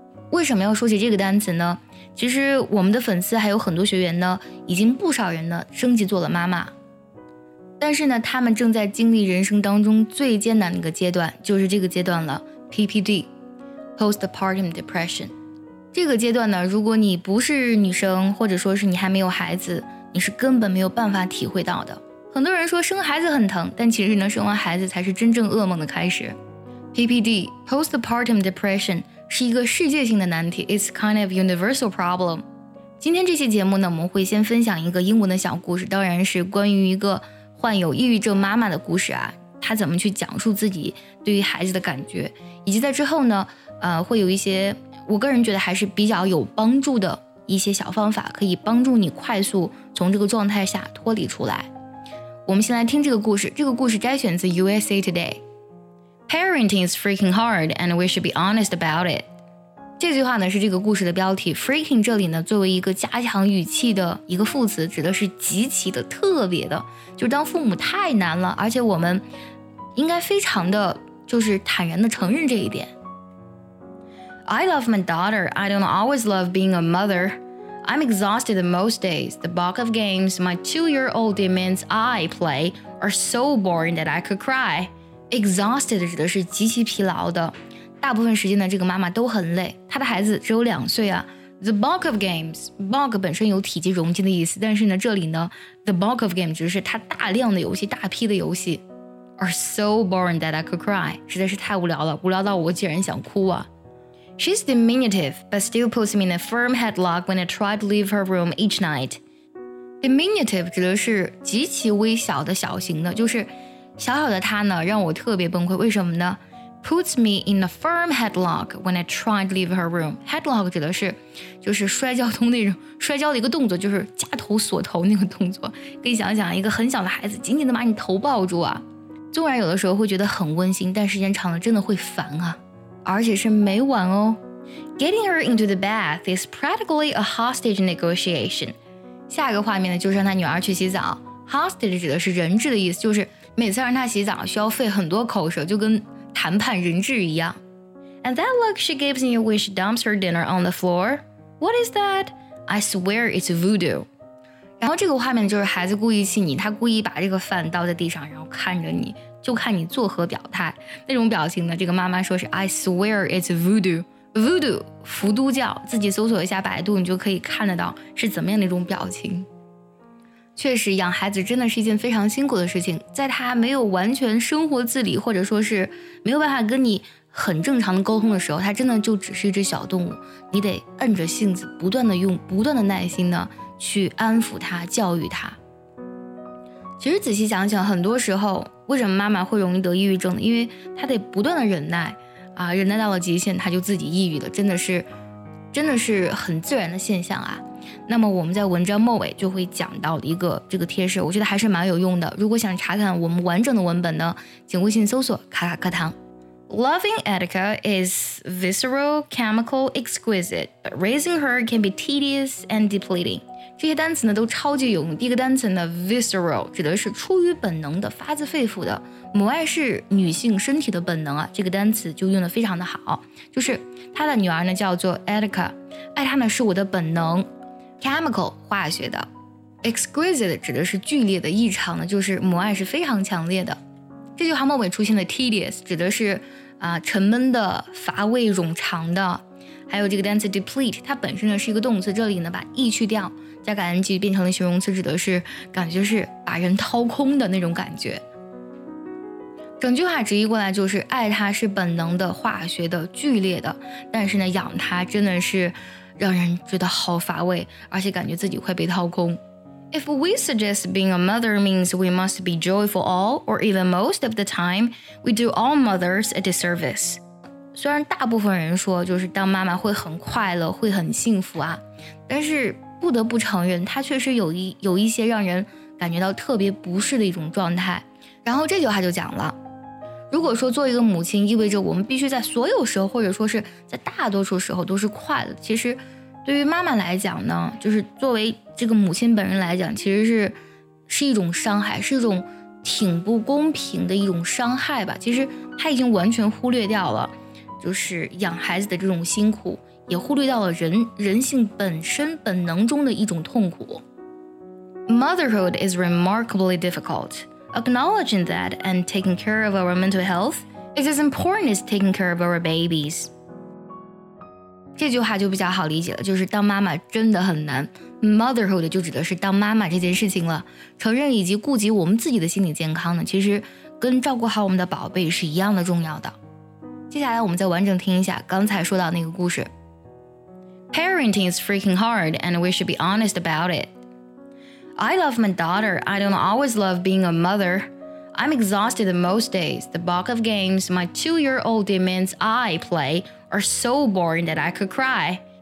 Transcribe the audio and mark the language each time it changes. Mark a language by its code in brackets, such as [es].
[zh] 为什么要说起这个单词呢？其实我们的粉丝还有很多学员呢，已经不少人呢升级做了妈妈，但是呢，他们正在经历人生当中最艰难的一个阶段，就是这个阶段了 ，PPD， Postpartum Depression。这个阶段呢，如果你不是女生，或者说是你还没有孩子，你是根本没有办法体会到的。很多人说生孩子很疼，但其实呢，生完孩子才是真正噩梦的开始。 [en] PPD, Postpartum Depression, [zh] 是一个世界性的难题 [en] It's kind of universal problem. [zh] 今天这期节目呢，我们会先分享一个英文的小故事，当然是关于一个患有抑郁症妈妈的故事啊，她怎么去讲述自己对于孩子的感觉，以及在之后呢，会有一些我个人觉得还是比较有帮助的一些小方法，可以帮助你快速从这个状态下脱离出来。我们先来听这个故事，这个故事摘选自 USA Today。 [en] Parenting is freaking hard, and we should be honest about it. [zh] 这句话呢是这个故事的标题。Freaking 这里呢作为一个加强语气的一个副词，指的是极其的、特别的，就是当父母太难了，而且我们应该非常的就是坦然的承认这一点。 [en] I love my daughter. I don't always love being a mother. I'm exhausted most days. The bulk of games my two-year-old demands I play are so boring that I could cry. [zh] Exhausted 指的是极其疲劳的，大部分时间呢，这个妈妈都很累。她的孩子只有两岁啊。 The bulk of games, bulk 本身有体积、容积的意思，但是呢，这里呢 ， [en] the bulk of games [zh] 指的是她大量的游戏、大批的游戏 ， [en] are so boring that I could cry， [zh] 实在是太无聊了，无聊到我竟然想哭啊。 [en] She's diminutive, but still puts me in a firm headlock when I try to leave her room each night. [zh] Diminutive 指的是极其微小的、小型的，就是。小小的他呢让我特别崩溃，为什么呢 [en] Puts me in a firm headlock when I try to leave her room. [zh] Headlock 指的是就是摔跤通那种摔跤的一个动作，就是夹头锁头那个动作，可以想想一个很小的孩子紧紧的把你头抱住啊，纵然有的时候会觉得很温馨，但时间长了真的会烦啊，而且是每晚哦。 [en] Getting her into the bath is practically a hostage negotiation. [zh] 下一个画面呢就是让他女儿去洗澡。Hostage 指的是人质的意思，就是每次让她洗澡需要费很多口舌，就跟谈判人质一样。 [en] And that look she gives me when she dumps her dinner on the floor, what is that? I swear it's voodoo. [zh] 然后这个画面就是孩子故意气你，他故意把这个饭倒在地上，然后看着你，就看你作何表态。那种表情呢，这个妈妈说是 [en] I swear it's voodoo. [zh] Voodoo, 伏都教，自己搜索一下百度，你就可以看得到是怎么样的一种表情。确实养孩子真的是一件非常辛苦的事情，在他没有完全生活自理或者说是没有办法跟你很正常的沟通的时候，他真的就只是一只小动物，你得摁着性子不断的用不断的耐心呢去安抚他、教育他。其实仔细想想，很多时候为什么妈妈会容易得抑郁症呢？因为他得不断的忍耐啊，忍耐到了极限他就自己抑郁了，真的是很自然的现象啊。那么我们在文章末尾就会讲到一个这个贴士，我觉得还是蛮有用的。如果想查看我们完整的文本呢，请微信搜索卡卡课堂。 [en] Loving Etika is visceral, chemical, exquisite, but raising her can be tedious and depleting. [zh] 这些单词呢都超级有用。第一个单词呢 ，visceral 指的是出于本能的、发自肺腑的。母爱是女性身体的本能啊，这个单词就用得非常的好。就是她的女儿呢叫做 Etika， 爱她呢是我的本能。 Chemical 化学的 ，exquisite 指的是剧烈的、异常的，就是母爱是非常强烈的。这句话末尾出现的 tedious 指的是沉闷的、乏味、冗长的。还有这个单词 deplete， 它本身呢是一个动词，这里呢把 e 去掉，加个 ing 变成了形容词，指的是感觉是把人掏空的那种感觉。整句话直译过来就是爱它是本能的、化学的、剧烈的，但是呢养它真的是。让人觉得好乏味，而且感觉自己快被掏空。 [en] If we suggest being a mother means we must be joyful all or even most of the time, we do all mothers a disservice. [zh] 虽然大部分人说就是当妈妈会很快乐，会很幸福啊，但是不得不承认，它确实有一些让人感觉到特别不适的一种状态。然后这句话就讲了。如果说做一个母亲意味着我们必须在所有时候或者说是在大多数时候都是快乐，其实对于妈妈来讲呢，就是作为这个母亲本人来讲，其实是一种伤害，是一种挺不公平的一种伤害吧。其实他已经完全忽略掉了就是养孩子的这种辛苦，也忽略到了人性本身本能中的一种痛苦。 [en] Motherhood is remarkably difficult. Acknowledging that and taking care of our mental health is as important as taking care of our babies. [zh] 这句话就比较好理解了，就是当妈妈真的很难。Motherhood 就指的是当妈妈这件事情了。承认以及顾及我们自己的心理健康呢，其实跟照顾好我们的宝贝是一样的重要的。接下来我们再完整听一下刚才说到那个故事。 [en] Parenting is freaking hard, and we should be honest about it. I love my daughter. I don't always love being a mother. I'm exhausted most days. The box of games my 2-year-old demands I play are so boring that I could cry.